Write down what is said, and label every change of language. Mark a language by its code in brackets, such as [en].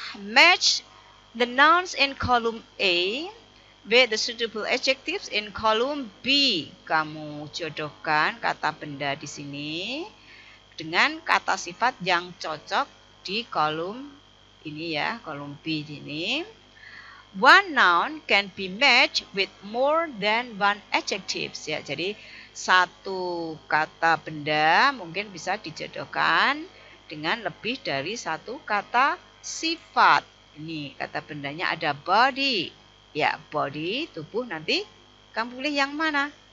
[en] Match the nouns in column A with the suitable adjectives in column B. [id] Kamu jodohkan kata benda di sini dengan kata sifat yang cocok di kolom ini ya, kolom B ini. [en] One noun can be matched with more than one adjectives. [id] Ya, jadi satu kata benda mungkin bisa dijodohkan dengan lebih dari satu kata sifat. Ini kata bendanya ada body. Ya, body, tubuh, nanti kamu pilih yang mana.